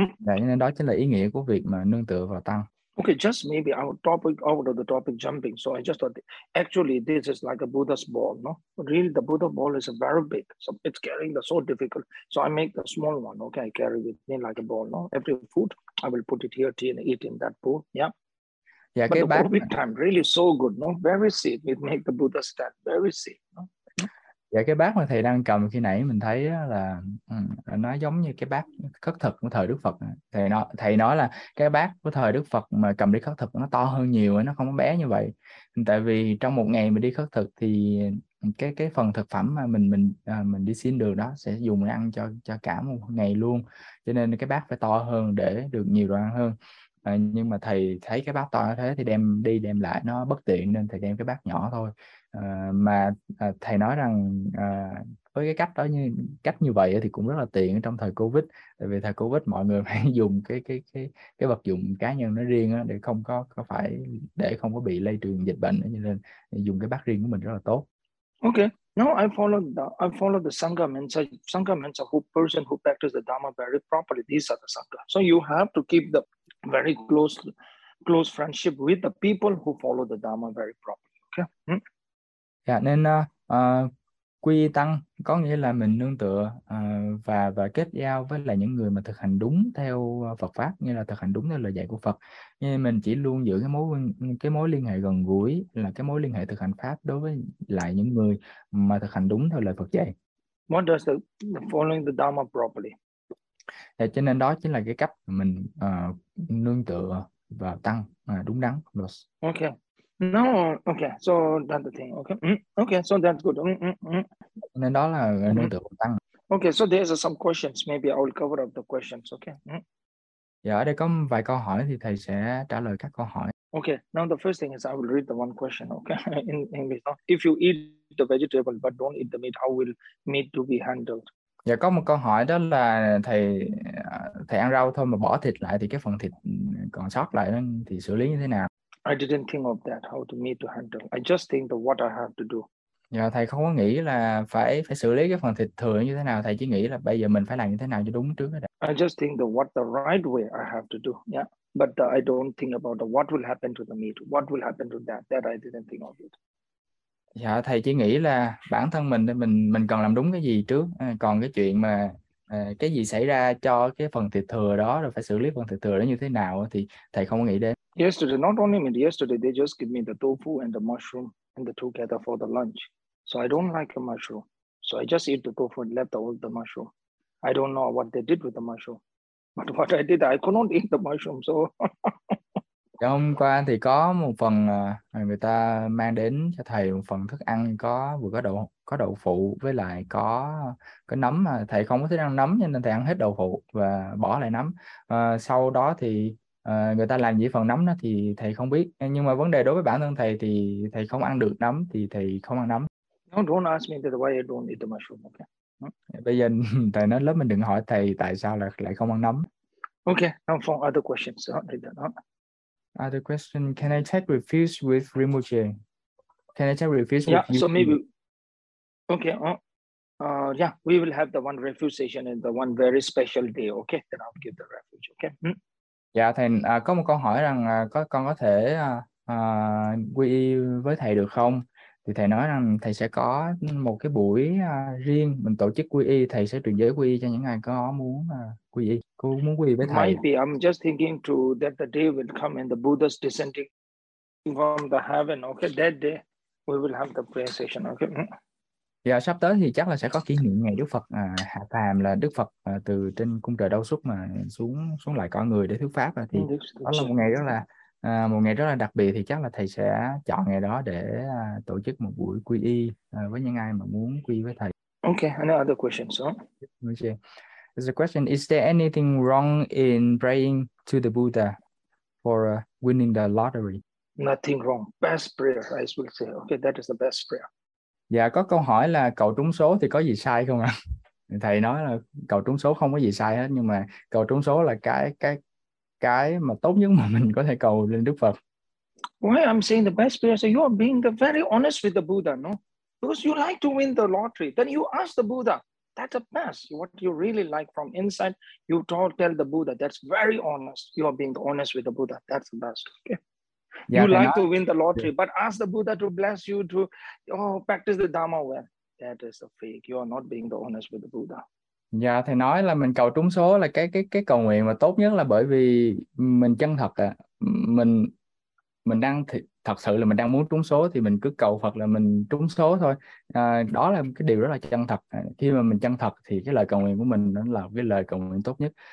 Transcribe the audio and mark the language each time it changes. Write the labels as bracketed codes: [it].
[vi] Đấy, nên đó chính là ý nghĩa của việc mà nương tựa vào tăng. [en] Okay, just maybe our topic out of the topic jumping. So I just thought actually this is like a Buddha's ball, no? Really the Buddha ball is very big. So it's carrying the so difficult. So I make the small one, okay, I carry with me like a ball, no? Every food I will put it here and eat in that bowl. Yeah. Yeah, but [vi] cái [en] the [vi] bát [en] bowl big time, really so good, no? Very safe. It make the Buddha stand very safe, no? [vi] Dạ, cái bát mà thầy đang cầm khi nãy mình thấy là nó giống như cái bát khất thực của thời Đức Phật. Thầy nói là cái bát của thời Đức Phật mà cầm đi khất thực nó to hơn nhiều, nó không có bé như vậy. Tại vì trong một ngày mình đi khất thực thì cái phần thực phẩm mà mình đi xin được đó sẽ dùng để ăn cho cả một ngày luôn. Cho nên cái bát phải to hơn để được nhiều đồ ăn hơn. Nhưng mà thầy thấy cái bát to như thế thì đem đi đem lại nó bất tiện nên thầy đem cái bát nhỏ thôi. Mà thầy nói rằng với cái cách đó như cách như vậy thì cũng rất là tiện trong thời Covid, tại vì thời Covid mọi người phải dùng cái vật dụng cá nhân nó riêng đó, để không có phải để không có bị lây truyền dịch bệnh đó, nên dùng cái bát riêng của mình rất là tốt. [en] Okay. Now I follow the Sangha mentor. Sangha mentor, who person who practice the Dharma very properly, these are the Sangha. So you have to keep the very close friendship with the people who follow the Dharma very properly. Okay. [vi] Dạ, nên quy tăng có nghĩa là mình nương tựa và kết giao với là những người mà thực hành đúng theo Phật pháp, nghĩa là thực hành đúng theo lời dạy của Phật. Nên mình chỉ luôn giữ cái mối liên hệ gần gũi, là cái mối liên hệ thực hành pháp đối với lại những người mà thực hành đúng theo lời Phật dạy. [en] What does the following the Dharma properly? [vi] Thế cho nên đó chính là cái cách mình nương tựa và tăng đúng đắn. [en] Okay. No, okay. So that's the thing. Okay. Okay, so that's good. [vi] Nên đó là nương tựa tăng. [en] Okay, so there's some questions. Maybe I will cover up the questions. Okay. [vi] Dạ, ở đây có vài câu hỏi thì thầy sẽ trả lời các câu hỏi. [en] Okay, now the first thing is I will read the one question, okay, in English. If you eat the vegetable but don't eat the meat, how will meat to be handled? [vi] Dạ, có một câu hỏi đó là thầy thầy ăn rau thôi mà bỏ thịt lại thì cái phần thịt còn sót lại đó, thì xử lý như thế nào? [en] I didn't think of that, how to meat to handle. I just think of what I have to do. [vi] Dạ, thầy không có nghĩ là phải phải xử lý cái phần thịt thừa như thế nào, thầy chỉ nghĩ là bây giờ mình phải làm như thế nào cho đúng trước đã. [en] I just think of what the right way I have to do. Yeah. But I don't think about what will happen to the meat. What will happen to that? That I didn't think of it. [vi] Dạ, thầy chỉ nghĩ là bản thân mình cần làm đúng cái gì trước, còn cái chuyện mà cái gì xảy ra cho cái phần thịt thừa đó rồi phải xử lý phần thịt thừa đó như thế nào thì thầy không có nghĩ đến. [en] Yesterday, not only meat, yesterday they just give me the tofu and the mushroom and the together for the lunch. So I don't like the mushroom. So I just eat the tofu and left out the mushroom. I don't know what they did with the mushroom. But what I did, I could not eat the mushroom, so [vi] Hôm qua thì có một phần người ta mang đến cho thầy một phần thức ăn có vừa có đậu phụ với lại có nấm, mà thầy không có thích ăn nấm nên thầy ăn hết đậu phụ và bỏ lại nấm. Sau đó thì người ta làm gì phần nấm đó thì thầy không biết, nhưng mà vấn đề đối với bản thân thầy thì thầy không ăn được nấm thì thầy không ăn nấm. [en] don't ask me that why I don't eat the mushroom, okay? [vi] Bây giờ thầy nói lớp mình đừng hỏi thầy tại sao lại không ăn nấm. [en] Okay, now for other questions. Other question, can I take refuge with Rinpoche? Can I take refuge Yeah, with so you? maybe. Okay, yeah, we will have the one refuge session and the one very special day. Okay, then I'll give the refuge. Okay. [vi] Dạ thầy, có một câu hỏi rằng con có thể quy y với thầy được không? Thì thầy nói rằng thầy sẽ có một cái buổi riêng mình tổ chức quy y, thầy sẽ truyền giới quy y cho những ai có muốn quy y, cô muốn quy y với thầy. [en] Might be. I'm just thinking to that the day will come and the Buddha's descending from the heaven. Okay, that day we will have the prayer session. Okay. [vi] Dạ, sắp tới thì chắc là sẽ có kỷ niệm ngày Đức Phật hạ phàm, là Đức Phật từ trên cung trời Đâu Xuất mà xuống xuống lại cõi người để thuyết pháp, thì đó là một ngày rất là đặc biệt, thì chắc là thầy sẽ chọn ngày đó để tổ chức một buổi quy y với những ai mà muốn quy với thầy. [en] Okay, another question. So. There's a question, is there anything wrong in praying to the Buddha for winning the lottery? Nothing wrong. Best prayer, I will say. Okay, that is the best prayer. [vi] Dạ, có câu hỏi là cầu trúng số thì có gì sai không ạ? Thầy nói là cầu trúng số không có gì sai hết, nhưng mà cầu trúng số là cái mà tốt nhất mà mình có thể cầu lên Đức Phật. [en] I'm saying the best prayer? So you are being the very honest with the Buddha, no? Because you like to win the lottery. Then you ask the Buddha. That's the best. What you really like from inside, you tell the Buddha. That's very honest. You are being honest with the Buddha. That's the best. Okay. [vi] Dạ [en] You [vi] thầy [en] like [vi] nói [en] to win the lottery, but ask the Buddha to bless you to practice the Dharma well. That is a fake. You are not being the honest with the Buddha. [vi] Dạ thầy nói là mình cầu trúng số là cái cầu nguyện mà tốt nhất, là bởi vì mình chân thật ạ. Mình đang thật sự là mình đang muốn trúng số thì mình cứ cầu Phật là mình trúng số thôi. Đó là cái điều rất là chân thật. Khi mà mình chân thật thì cái lời cầu nguyện của mình nó là cái lời cầu nguyện tốt nhất.